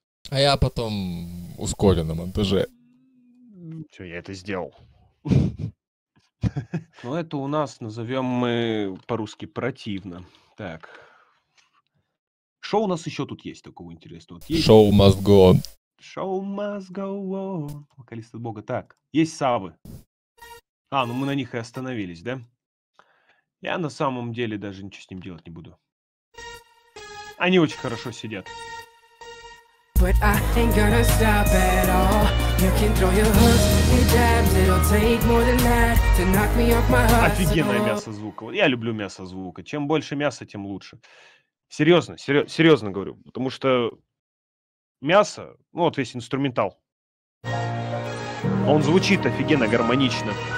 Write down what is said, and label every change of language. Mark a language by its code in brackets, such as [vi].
[ru] А я потом ускорю на монтаже. Все, я это сделал. Ну, это у нас, назовем мы по-русски, противно. Так. Шоу у нас еще тут есть такого интересного. [en] Шоу must go on. Шоу must go on. [ru] Вокалист от бога. Так, есть савы. А, ну мы на них и остановились, да? Я на самом деле даже ничего с ним делать не буду. Они очень хорошо сидят. [en] But I ain't gonna stop at all. You can throw your hooks and jabs. It'll take more than that to knock me off my heart. [ru] Офигенное мясо звука. Я люблю мясо звука. Чем больше мяса, тем лучше. Серьезно, серьезно говорю. Потому что мясо, ну вот весь инструментал. Он звучит офигенно гармонично.